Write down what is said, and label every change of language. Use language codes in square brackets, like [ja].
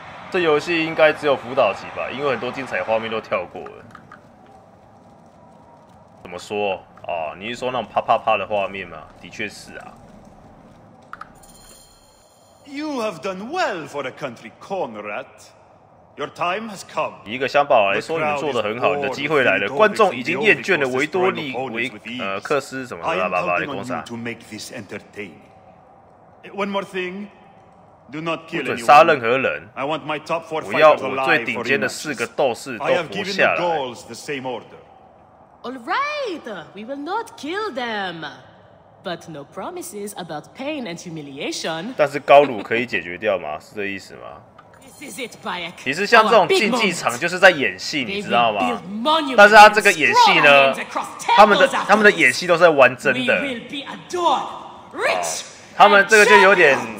[zh] 这游戏应该只有辅导级吧，因为很多精彩画面都跳过了。怎么说啊？你是说那种啪啪啪的画面吗？的确是啊。 [en] You have done well for the country, Conrad. Your time has come. [zh] 一个乡巴佬来说，你做得很好，你的机会来了。观众已经厌倦了维多利维克斯什么啦啦啦的工厂。 [en] One more thing. Do not kill [zh] 不准杀任何人。 [en] I want my top four [zh] 我要我最顶尖的四个斗士都活下来。 [en] I have given the Gauls the same order. All right, we will not kill them, but no promises about pain and humiliation. [zh] 但是高卢可以解决掉吗？是这意思吗？ [en] This is it, Bayek. [zh] 其实像这种竞技场就是在演戏，你知道吗？但是他这个演戏呢，他们的演戏都是在玩真的。 [en] We will be adored, rich. [zh] 他们这个就有点。